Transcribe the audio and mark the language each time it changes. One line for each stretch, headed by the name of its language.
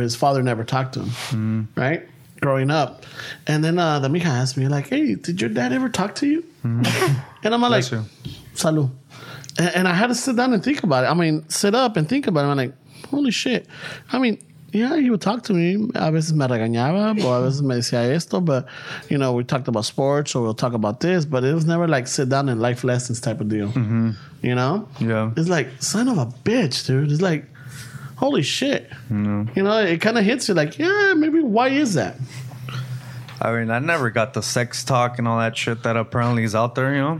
English: His father never talked to him. Mm. Right? Growing up. And then La Mija asked me, like, hey, did your dad ever talk to you? Mm-hmm. And I'm like, salud. And I had to sit down and think about it. I mean, sit up and think about it. I'm like, holy shit. I mean, yeah, he would talk to me.
Spanish: A veces me regañaba, o a veces me decía esto.
English: But, you know, we talked about sports, or we'll talk about this. But it was never like sit down and life lessons type of deal. Mm-hmm. You know? Yeah. It's like, son of a bitch, dude. It's like, holy shit. Mm-hmm. You know, it kind of hits you like, yeah, maybe why is that? I mean, I never got the sex talk and all that shit that apparently is out there, you know?